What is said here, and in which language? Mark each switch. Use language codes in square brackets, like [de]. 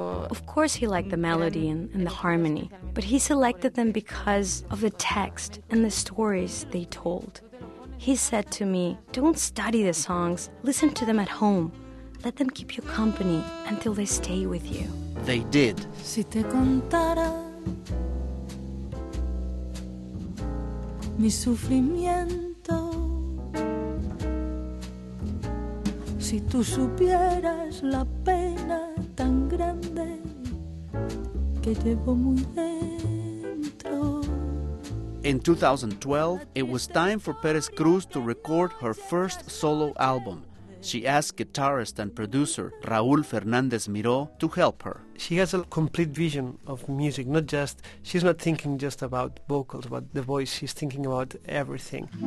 [en] Of course he liked the melody and the harmony, but he selected them because of the text and the stories they told. He said to me, "Don't study the songs, listen to them at home. Let them keep you company until they stay with you." They did. [es] Si te contara mi sufrimiento, si tú supieras la pena tan grande que llevo muy dentro. [en] In 2012, it was time for Pérez Cruz to record her first solo album. She asked guitarist and producer Raúl Fernández Miró to help her. She has a complete vision of music, she's not thinking just about vocals, about the voice, she's thinking about everything.